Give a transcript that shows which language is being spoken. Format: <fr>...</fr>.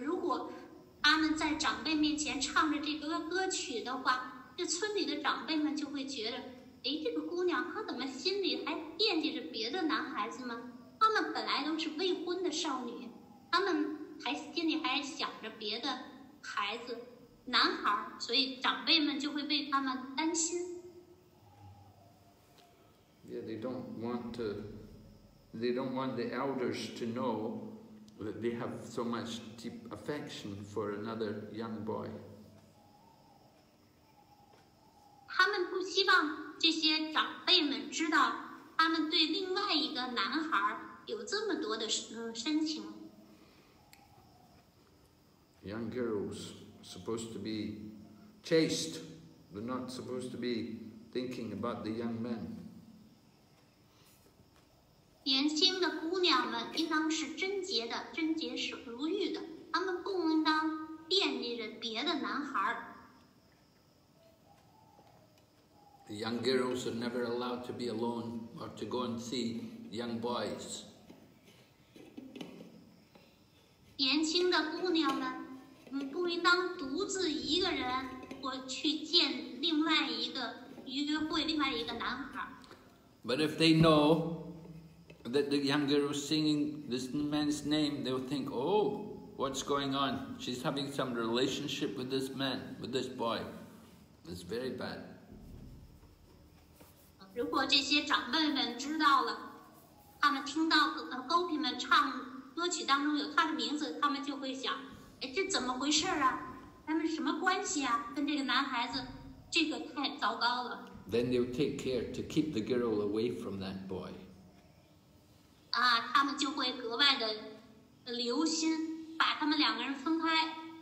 <zh>如果她们在长辈面前唱着这个歌曲的话这村里的长辈们就会觉得哎，这个姑娘她怎么心里还惦记着别的男孩子吗她们本来都是未婚的少女她们还心里还想着别的孩子男孩所以长辈们就会为她们担心</zh> <en>Yeah, they don't want the elders to know that they have so much deep affection for another young boy.</en> <zh>他们不希望这些长辈们知道他们对另外一个男孩有这么多的深情。</zh> <en>Young girls supposed to be chaste, they're not supposed to be thinking about the young men.</en> <zh>年轻的姑娘们应当是贞洁的，贞洁是如玉的，他们不应当惦记着别的男孩。</zh> <en>The young girls are never allowed to be alone or to go and see young boys.</en> <zh>年轻的姑娘们不应当独自一个人或去见另外一个约会另外一个男孩。</zh> <en>But if they know that the young girl is singing this man's name, they'll think, oh, what's going on? She's having some relationship with this man, with this boy. It's very bad.</en> <zh>如果这些长辈们知道了，他们听到Gopi们唱歌曲当中有他的名字，他们就会想，哎，这怎么回事啊？他们什么关系啊？跟这个男孩子，这个太糟糕了。</zh> <en>Then they'll take care to keep the girl away from that boy.</en> <zh>啊，他们就会格外的留心，把他们两个人分开。</zh>